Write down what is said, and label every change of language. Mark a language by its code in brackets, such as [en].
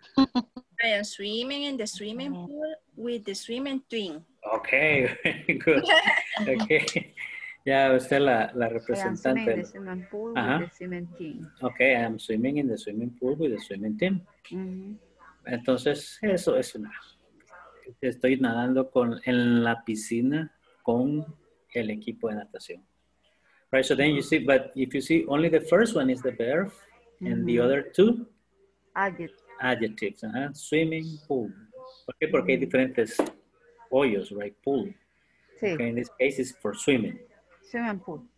[en] I am swimming in the swimming pool with the swimming twin. Ok, very good. [es] Ok, ya usted es la representante. [en] I am swimming in the swimming pool with the swimming team. Ok, I am swimming in the swimming pool with the swimming team. [es] Mm-hmm. Entonces, eso es una. Estoy nadando en la piscina con el equipo de natación. [en] Right, so then you see, but if you see, only the first one is the verb, mm-hmm. and the other two? Adjectives. [es] Uh-huh. Swimming, pool. ¿Por qué? Porque hay diferentes hoyos, right? Pool. Sí. [en] Okay, in this case, it's for swimming. Swimming pool.